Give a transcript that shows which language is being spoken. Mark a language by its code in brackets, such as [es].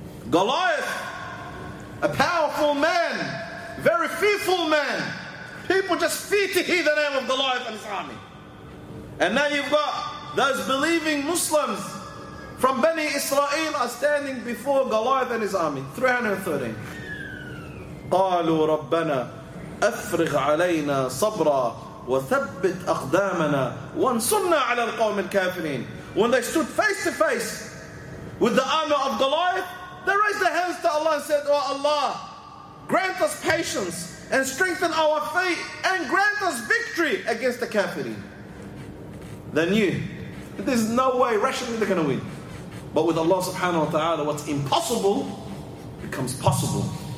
[en] Goliath, a powerful man, very fearful man. People just fear to hear the name of Goliath and his army. And now you've got those believing Muslims from Bani Israel are standing before Goliath and his army. 313. [ar] قالوا ربنا أفرغ علينا صبرا وثبت أقدامنا وانصرنا على القوم الكافرين. [en] When they stood face to face with the army of Goliath, they raised their hands to Allah and said, oh Allah, grant us patience and strengthen our faith and grant us victory against the kafirin. They knew that there's no way rationally they're going to win. But with Allah subhanahu wa ta'ala, what's impossible becomes possible.